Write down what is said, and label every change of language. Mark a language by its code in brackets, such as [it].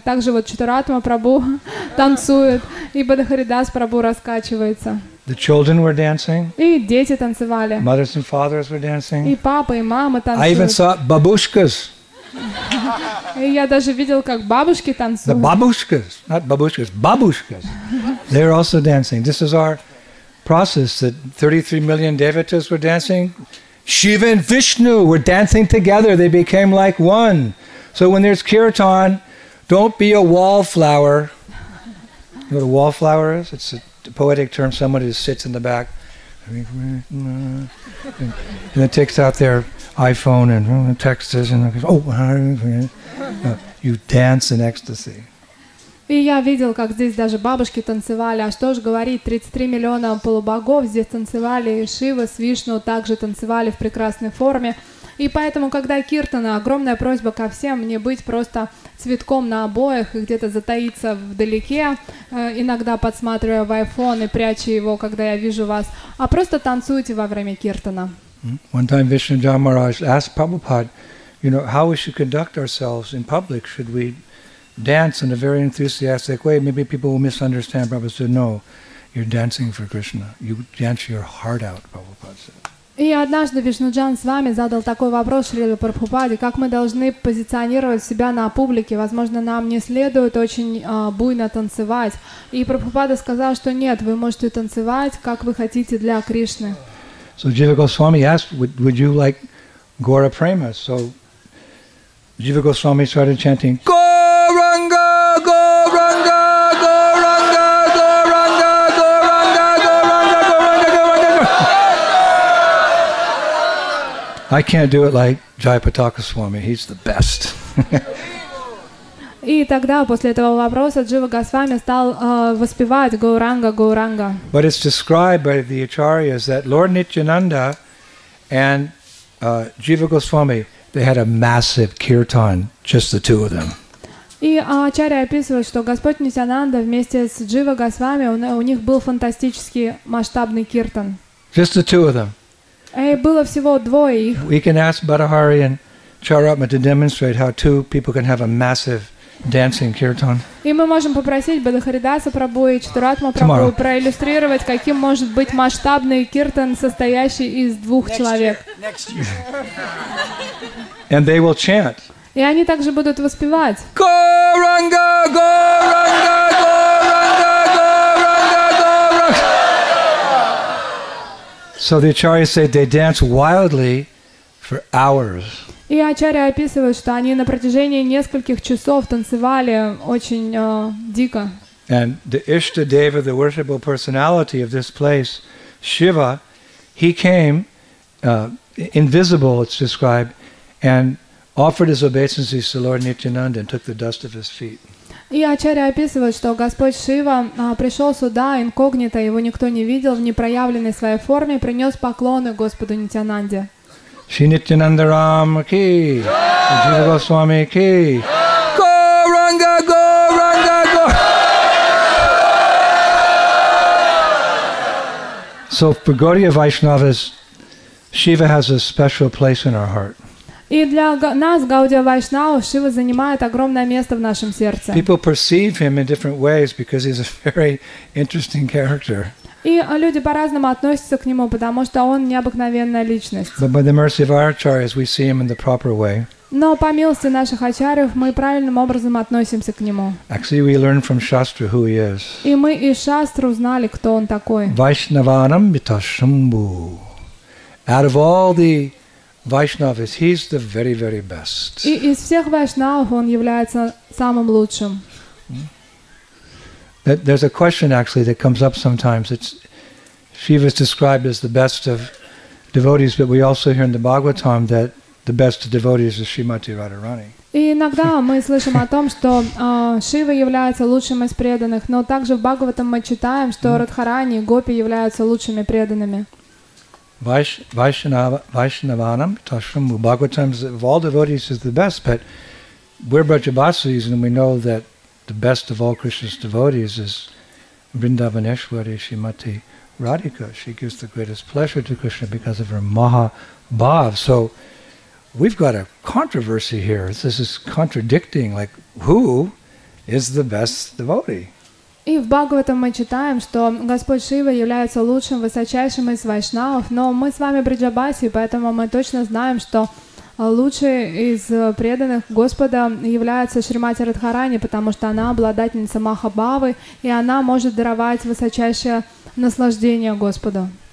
[ru] Также вот Читаратма Прабу танцует, и Бадахаридас Прабу раскачивается. [en] The children were dancing. [ru] И дети танцевали. [en] Mothers and fathers were dancing. [ru] И папа, и мама танцуют. [en] I even saw бабушкас. [ru] И я даже видел, как бабушки танцуют. [en] The бабушкас, not бабушкас, бабушкас. They're also dancing. This is our process that 33 million devotees were dancing. Shiva and Vishnu were dancing together. They became like one. So when there's kirtan, don't be a wallflower. You know what a wallflower is? It's a poetic term. Someone who sits in the back and then takes out their iPhone and texts and goes, oh, you dance in ecstasy. [ru] И я видел, как здесь даже бабушки танцевали, а что ж говорить, 33 миллиона полубогов здесь танцевали, и Шива с Вишну также танцевали в прекрасной форме. И поэтому, когда киртана, огромная просьба ко всем не быть просто цветком на обоях и где-то затаиться вдалеке, иногда подсматривая в айфон и пряча его, когда я вижу вас, а просто танцуйте во время киртана. [en] One time Vishnu Dharmaraj asked Prabhupada, you know, how we should conduct ourselves in public? Should we dance in a very enthusiastic way? Maybe people will misunderstand. Prabhupada said, no, you're dancing for Krishna. You dance your heart out, Prabhupada said. [ru] И однажды Вишнуджан с вами задал такой вопрос Шриле Прабхупаде, как мы должны позиционировать себя на публике, возможно, нам не следует очень буйно танцевать. И Прабхупада сказал, что нет, вы можете танцевать, как вы хотите для Кришны. [en] So Jiva Goswami asked, would you like Gaura Prema? So Jiva Goswami started chanting, Gauranga, Gauranga! I can't do it like Jayapataka Swami. He's the best. [ru] И тогда после этого вопроса Джива Госвами стал воспевать Гауранга Гауранга. [en] But it's described by the acharyas that Lord Nityananda and Jiva Goswami, they had a massive kirtan, just the two of them. [ru] И ачарья описывает, что Господь Нитьянанда вместе с Джива Госвами у них был фантастический масштабный киртан. [en] Just the two of them. [ru] И было всего двое их. [en] We can ask Badahari and Charatma to demonstrate how two people can have a massive dancing kirtan. [ru] И мы можем попросить Бадахаридаса Прабу и Чатуратму Прабу проиллюстрировать, каким может быть масштабный киртан, состоящий из двух человек. [en] And they will chant. [ru] И они также будут воспевать. Гауранга, Гауранга, Гауранга. [en] So the acharyas say they dance wildly for hours. [ru] И ачарья описывает, что они на протяжении нескольких часов танцевали очень дико. [en] And the Ishtadeva, the worshipful personality of this place, Shiva, he came invisible, it's described, and offered his obeisances to Lord Nityananda and took the dust of his feet. [ru] И ачарья описывает, что Господь Шива пришел сюда инкогнито, его никто не видел, в непроявленной своей форме, принес поклоны Господу Нитьянанде. Шри Нитьянанда Рама ки, Джива Госвами ки, Гауранга, Гауранга, Гауранга. [en] So for Gaudiya Vaishnavas, Shiva has a special place in our heart. [ru] И для нас, Гаудия Вайшнава, Шива занимает огромное место в нашем сердце. [en] People perceive him in different ways because he's a very interesting character. [ru] И люди по-разному относятся к нему, потому что он необыкновенная личность. [en] But by the mercy of our acharyas, we see him in the proper way. [ru] Но по милости наших ачарьев мы правильным образом относимся к нему. [en] Actually, we learn from Shastra who he is. [ru] И мы из Шастры узнали, кто он такой. [sa] Вайшнаванам биташамбу. [en] Out of all the Vaishnavas, he's the very, very best. [ru] И из всех вайшнавов он является самым лучшим. [en] There's a question actually that comes up sometimes. It's Shiva is described as the best of devotees, but we also hear in the Bhagavatam that the best of devotees is Srimati Radharani. [ru] И иногда мы слышим о том, что Шива является лучшим из преданных, но также в Бхагаватам мы читаем, что Радхарани и Гопи являются лучшими преданными. [sa] Vaishnavanam Tashrambhu. [en] Bhagavatam is of all devotees is the best, but we're Brajabasis and we know that the best of all Krishna's devotees is Vrindavaneshwari Srimati Radhika. She gives the greatest pleasure to Krishna because of her Maha Bhav. So we've got a controversy here. This is contradicting, like who is the best devotee? [ru] И в Бхагаватам мы читаем, что Господь Шива является лучшим, высочайшим из вайшнавов, но мы с вами Бриджабаси, поэтому мы точно знаем, что лучшей из преданных Господа является Шримати Радхарани, потому что она обладательница Махабавы, и она может даровать высочайшее наслаждение Господу.